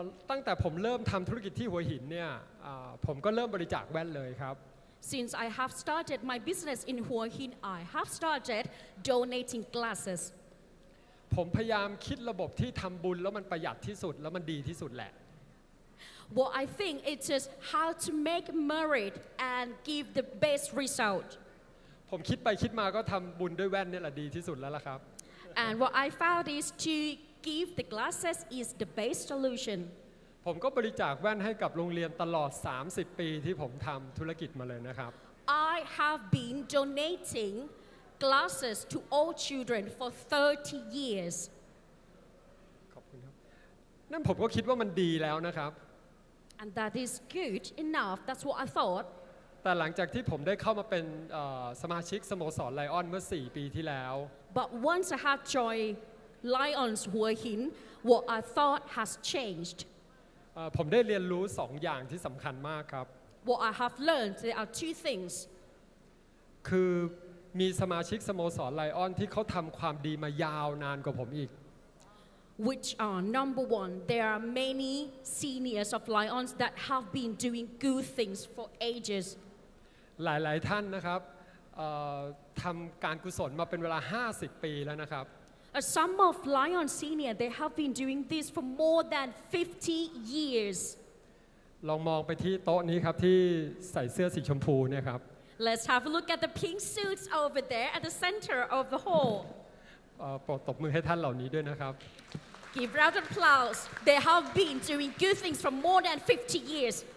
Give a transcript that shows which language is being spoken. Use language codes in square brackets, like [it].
[th] ตั้งแต่ผมเริ่มทำธุรกิจที่หัวหินเนี่ยผมก็เริ่มบริจาคแว่นเลยครับ [en] Since I have started my business in หัวหิน I have started donating glasses [th] ผมพยายามคิดระบบที่ทำบุญแล้วมันประหยัดที่สุดแล้วมันดีที่สุดแหละ [en] What I think it's just how to make merit and give the best result [th] ผมคิดไปคิดมาก็ทำบุญด้วยแว่นนี่แหละดีที่สุดแล้วล่ะครับ [en] And what I found is toGive the glasses is the best solution. [th] ผมก็บริจาคแว่นให้กับโรงเรียนตลอด30ปีที่ผมทำธุรกิจมาเลยนะครับ [en] I have been donating glasses to all children for 30 years. [th] ขอบคุณครับนั่นผมก็คิดว่ามันดีแล้วนะครับ [en] And that is good enough. That's what I thought. [th] แต่หลังจากที่ผมได้เข้ามาเป็นสมาชิกสโมสรไลออนเมื่อ4ปีที่แล้ว [en] But once I had joyLions หัวหิน what I thought has changed [th] ผมได้เรียนรู้สองอย่างที่สำคัญมากครับ [en] what I have learned there are two things [th] คือมีสมาชิกสโมสรไลออนที่เขาทำความดีมายาวนานกว่าผมอีก [en] which are number one there are many seniors of Lions that have been doing good things for ages [th] หลายๆท่านนะครับทำการกุศลมาเป็นเวลา50ปีแล้วนะครับ [en] Some of Lion Senior they have been doing this for more than 50 years. [th] ลองมองไปที่โต๊ะนี้ครับที่ใส่เสื้อสีชมพูเนี่ยครับ [en] Let's have a look at the pink suits over there at the center of the hall. [th] ปรบมือให้ท่านเหล่านี้ด้วยนะครับ [en] Give round of applause. They have been doing good things for more than 50 years.